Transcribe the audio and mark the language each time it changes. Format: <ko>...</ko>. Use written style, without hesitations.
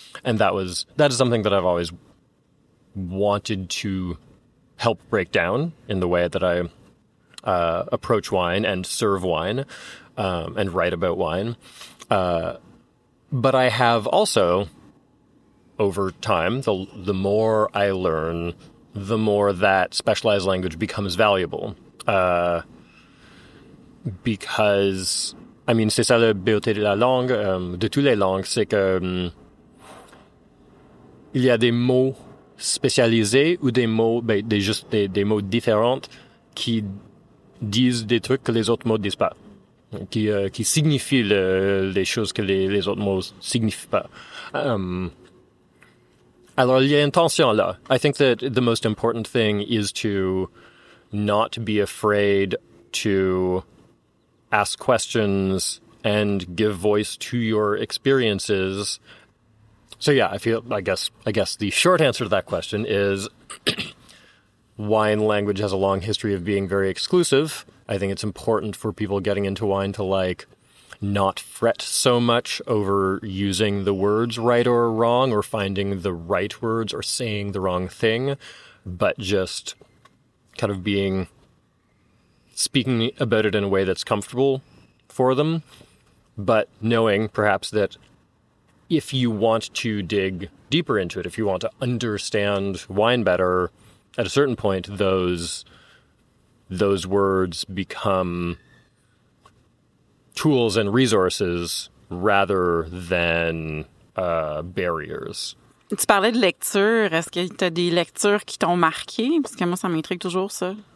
<en>And that is something that I've always wanted to help break down in the way that I approach wine and serve wine. And write about wine. But I have also, over time, the more I learn, the more that specialized language becomes valuable. Because, I mean,</en> <fr>c'est ça la beauté de la langue, de toutes les langues, c'est que il y a des mots spécialisés ou des mots, des mots différents qui disent des trucs que les autres mots ne disent pas. Qui signifie les choses que les autres mots signifient pas. Alors, il y a une tension là.</fr> <en>I think that the most important thing is to not be afraid to ask questions and give voice to your experiences. So yeah, I guess the short answer to that question is wine language has a long history of being very exclusive. I think it's important for people getting into wine to, like, not fret so much over using the words right or wrong or finding the right words or saying the wrong thing, but just kind of speaking about it in a way that's comfortable for them, but knowing perhaps that if you want to dig deeper into it, if you want to understand wine better, at a certain point, those words become tools and resources rather than barriers.</en> <fr>Tu parlais de lecture. Est-ce que tu as des lectures qui t'ont marqué? Parce que moi, ça m'intrigue toujours, ça.</fr>